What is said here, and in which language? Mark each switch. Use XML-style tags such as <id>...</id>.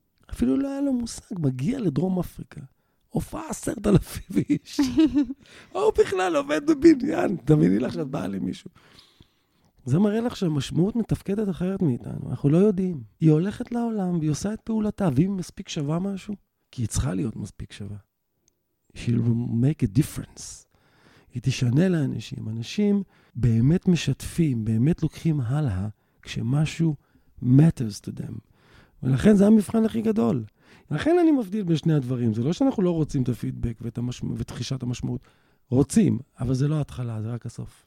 <he>אפילו לא היה לו מושג, מגיע לדרום אפריקה. הופעה 10,000 איש. הוא בכלל עובד בבניין. תמיד לך שאת באה למישהו. זה מראה לך שהמשמעות מתפקדת אחרת מאיתנו. אנחנו לא יודעים. היא הולכת לעולם, והיא עושה את פעולתה, והיא מספיק שווה משהו, כי היא צריכה להיות מספיק שווה.</he> <en>She'll make a difference.</en> <he>היא תשנה לאנשים. אנשים באמת משתפים, באמת לוקחים הלאה, כשמשהו</he> <en>matters to them.</en> <he>ולכן זה המבחן הכי גדול. לכן אני מבדיל בין שני הדברים. זה לא שאנחנו לא רוצים את הפידבק ואת ותחישת המשמעות. רוצים, אבל זה לא התחלה, זה רק הסוף.</he>